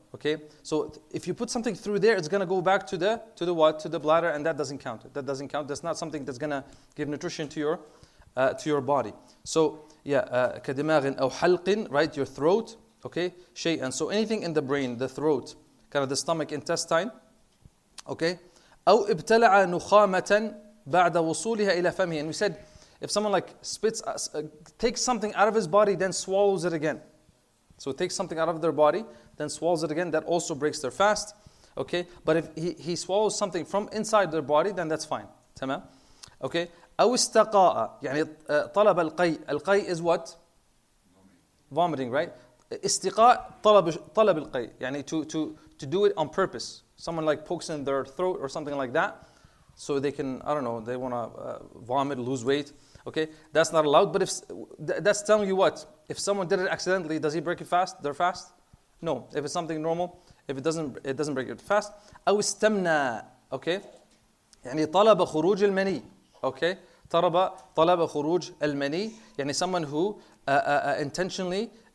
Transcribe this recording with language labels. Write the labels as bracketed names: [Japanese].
[English] Okay, so if you put something through there, it's gonna go back to the what, to the bladder, and that doesn't count. That doesn't count. That's not something that's gonna give nutrition to your body. So yeah, [Arabic] كدماغٍ أو حلقٍ, [English] right, your throat. Okay, [Arabic] شيئاً. [English] So anything in the brain, the throat, kind of the stomach, intestine. [Arabic] Okay, أو ابتلع نخامةً بعد وصولها إلى فمه. [English] And we said, if someone like spits, takes something out of his body, then swallows it again. So it takes something out of their body, then swallows it again, that also breaks their fast. Okay, but if he swallows something from inside their body, then that's fine. Tamam. Okay. [Arabic] أو استقاء, يعني طلب القيء. [English] القيء is what? Vomiting, right? [Arabic] استقاء طلب القيء, يعني [English] to do it on purpose. Someone like pokes in their throat or something like that, so they can, I don't know, they want to vomit, lose weight. Okay, that's not allowed. But if that's telling you what? If someone did it accidentally, does he break it fast? Their fast? No. If it's something normal, if it doesn't break it fast. [Arabic] أو استمنى. Okay. يعني طلب خروج المني. Okay. طلب خروج المني. يعني [English] someone who intentionally